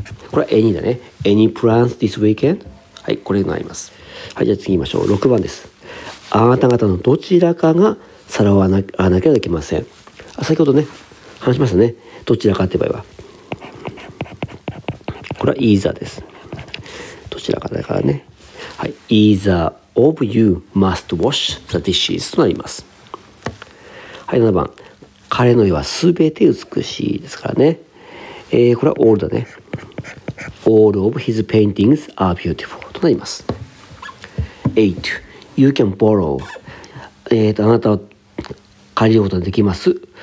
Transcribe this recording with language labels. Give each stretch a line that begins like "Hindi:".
English: これは any だね。any plans this weekend? はい、
Japanese: これになります。はい、じゃあ次行きましょう。6番です。あなた方のどちらかが皿を洗わなければいけません。あ、先ほどね、話しましたね。どちらかって場合は。これは either です。どちらかだからね。
English: はい、either of you must wash the dishes
Japanese: となります。はい、7番。彼の絵はすべて美しいですからね。これは all だね。
English: All of his paintings are beautiful
Japanese: となります。
English: 8. You can borrow.
Japanese: あなたは借りることができます。